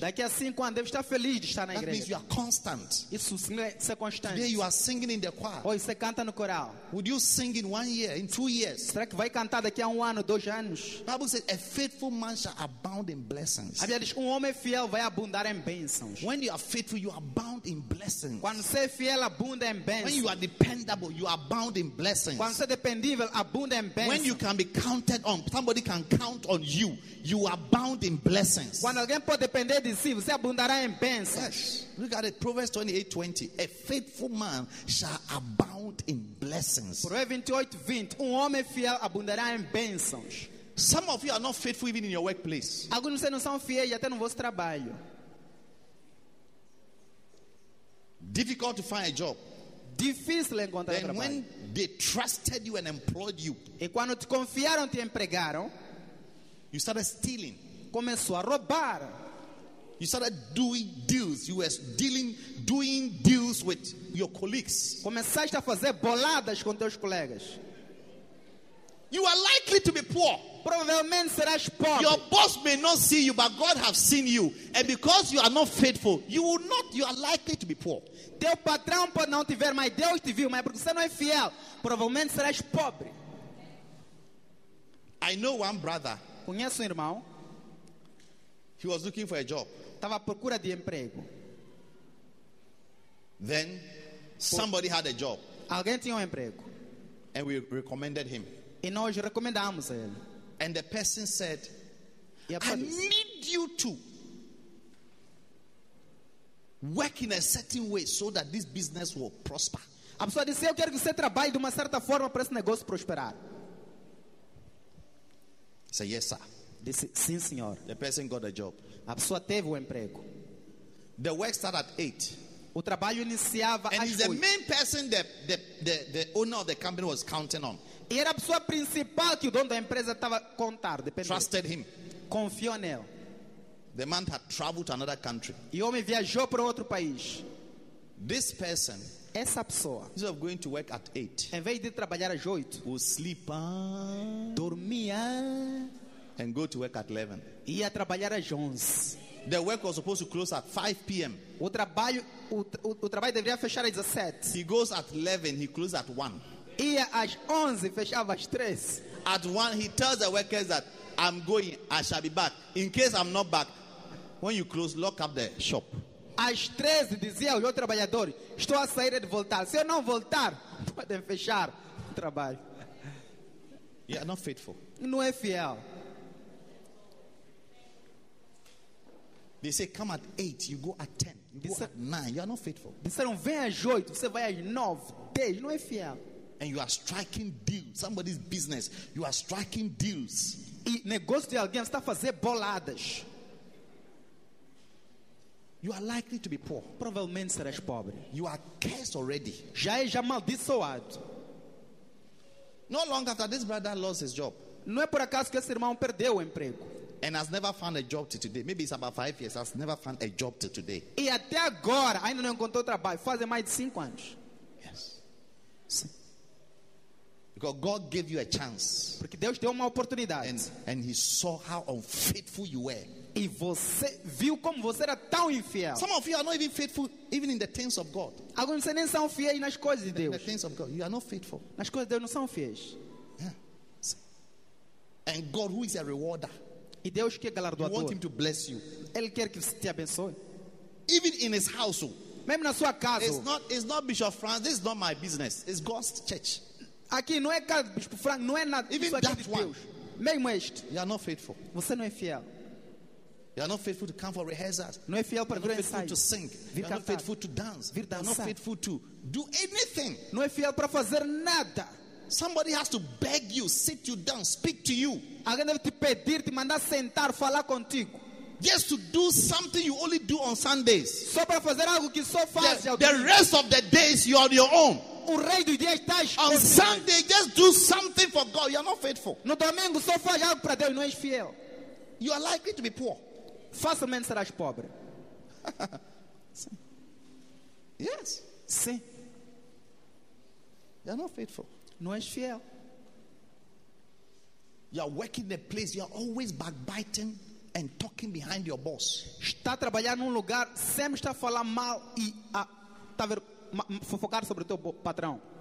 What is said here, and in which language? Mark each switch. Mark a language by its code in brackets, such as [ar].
[pt] Daqui a 5 anos, deve estar feliz de estar na igreja. [en] That means you are constant. [pt] Isso significa ser constante. [en] Today you are singing in the choir. [pt] Hoje você canta no coral. [en] Would you sing in 1 year, in 2 years? [pt] Será que vai cantar daqui a 1 ano, 2 anos? [en] Bible says, a faithful man shall abound in blessings. [pt] A Bíblia diz, homem fiel vai abundar em bênçãos. [en] When you are faithful, you abound in blessings. [pt] Quando você é fiel, abunda em bênçãos. [en] When you are dependable, you abound in blessings. [pt] Quando você é dependível, abunda em bênçãos. [en] When you can be counted on, somebody can count on you, you are bound in blessings. [pt] Quando alguém pode depender de si, você abundará em bênçãos. [en] Yes. Look at it, Proverbs 28:20. A faithful man shall abound in blessings. [pt] Proverbs 28:20. Homem fiel abundará em bênçãos. [en] Some of you are not faithful even in your workplace. [pt] Alguns de vocês não são fiéis até no vosso trabalho. [en] Difficult to find a job. [pt] Difícil encontrar trabalho. [en] When they trusted you and employed you, [pt] e quando te confiaram, te empregaram, [en] you started stealing. [pt] Começou a roubar. [en] You started doing deals. You were dealing, doing deals with your colleagues. [pt] Começaste a fazer boladas com teus colegas. [en] You are likely to be poor. [pt] Provavelmente serás pobre. [en] Your boss may not see you, but God has seen you. And because you are not faithful, you are likely to be poor. [pt] Teu patrão pode não te ver, mas Deus te viu, mas porque você não é fiel, provavelmente serás pobre. [en] I know one brother. [pt] Conheço um irmão. [en] He was looking for a job. [pt] Estava à procura de emprego. [en] Then somebody had a job. [pt] Alguém tinha emprego. [en] And we recommended him. [pt] E nós recomendamos a ele. [en] And the person said, I need you to work in a certain way so that this business will prosper. [pt] A pessoa disse, eu quero que você trabalhe de uma certa forma para esse negócio prosperar. [en] Say yes, sir. [pt] Disse, sim, senhor. [en] The person got a job. [pt] A pessoa teve um emprego. [en] The work started at 8. [pt] O trabalho iniciava às 8. [en] And he's the main person that the owner of the company was counting on. [pt] E era a pessoa principal que o dono da empresa estava a contar. [en] Trusted him. [pt] Confiou nele. [en] The man had traveled to another country. [pt] E o homem viajou para outro país. [en] This person [pt] Essa pessoa, [en] instead of going to work at 8, [pt] em vez de trabalhar às 8, [en] will sleep on, [pt] dormia, [en] and go to work at 11. [pt] Ia trabalhar às 11. [en] The work was supposed to close at 5 p.m. [pt] O trabalho deveria fechar às 17. [en] He goes at 11, he closes at 1. [pt] Ia às 11, fechava às 3. [en] At 1, he tells the workers that I'm going, I shall be back. In case I'm not back, when you close, lock up the shop. [pt] Às 13, dizia o trabalhador, estou a sair de voltar. Se eu não voltar, podem fechar o trabalho. [en] You are not faithful. [pt] Não é fiel. [en] They say, come at 8, you go at 10. You go at 9, you are not faithful. [pt] Disseram, vem às 8, você vai às 9, 10. Não é fiel. [en] And you are striking deals. Somebody's business. You are striking deals. [pt] E negócio de alguém está a fazer boladas. [en] You are likely to be poor. [pt] Provavelmente serás pobre. [en] You are cursed already. [pt] Já é amaldiçoado. [en] Not long after this brother lost his job. [pt] Não é por acaso que esse irmão perdeu o emprego. [en] And has never found a job till today. Maybe it's about 5 years. Has never found a job till today. [pt] E até agora ainda não encontrou trabalho. Faz mais de 5 anos. [en] Yes. Because God gave you a chance. [pt] Porque Deus deu uma oportunidade. [en] And he saw how unfaithful you were. [pt] E você viu como você era tão infiel. [en] Some of you are not even faithful even in the things of God. [pt] Alguns de vocês nem são fiéis nas coisas de Deus. [en] In the things of God, you are not faithful. [pt] Nas coisas de Deus não são fiéis. [en] Yeah. And God, who is a rewarder? [pt] E Deus que é galardoador. [en] You want him to bless you. [pt] Ele quer que você te abençoe. [en] Even in his household. [pt] Mesmo na sua casa. [en] It's not Bishop Franz. This is not my business. It's God's church. [pt] Aqui não é casa do Bispo Franz. Não é nada. [en] Even [pt] isso [en] that [pt] de [en] one. [pt] Deus. Mesmo este. [en] You are not faithful. [pt] Você não é fiel. [en] You are not faithful to come for rehearsals. [pt] Não é fiel para vir ensaiar. [en] You are not faithful to sing. [pt] Vir [en] you are not faithful to dance. [pt] Vir dançar. [en] You are not faithful to do anything. [pt] Não é fiel para fazer nada. [en] Somebody has to beg you, sit you down, speak to you. [pt] Alguém deve te pedir, te mandar sentar, falar contigo. [en] Just to do something you only do on Sundays. [pt] Só para fazer algo que só faz. [en] The rest of the days you are on your own. [pt] O rei do dia está. [en] On Sunday, just do something for God. You are not faithful. [pt] No domingo só faz algo para Deus, não és fiel. [en] You are likely to be poor. [pt] Facilmente serás pobre. Sim. [en] Yes. [pt] Sim. [en] You are not faithful. [pt] Não és fiel. [en] You are working in a place. You are always backbiting and talking behind your boss. [pt] Está a trabalhar num lugar, sempre está a falar mal e a fofocar sobre o teu patrão.